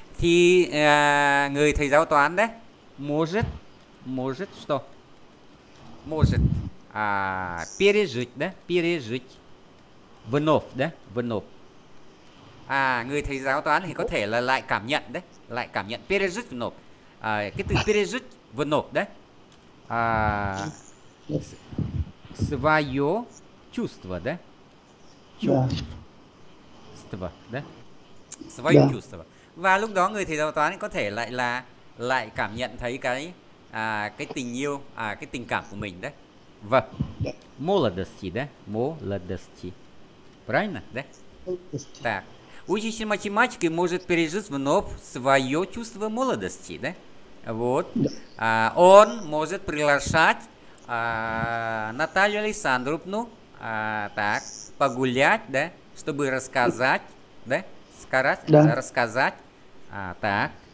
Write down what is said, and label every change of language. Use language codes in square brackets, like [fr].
[vi] thì người thầy giáo toán đấy, [ru] может что? Может пережить, да, пережить, вновь, да, вновь. [vi] À, người thầy giáo toán thì có thể là lại cảm nhận đấy, lại cảm nhận [ru] pережить вновь. [vi] À, cái từ [ru] pережить вновь [vi] đấy. [ru] À, свое чувство, да? Чувство, да? Свое Да. чувство. [vi] Và lúc đó người thầy giáo toán có thể lại là lại cảm nhận thấy cái tình yêu, cái tình cảm của mình đấy. Vâng. [ru] Молодости, да? Молодости. Правильно, да? Так. Учитель математики может пережить вновь свое чувство молодости, да? Вот. Да. Он может приглашать Наталью Александровну так, погулять, да? Чтобы рассказать, да? Сказать, да. Рассказать. Так.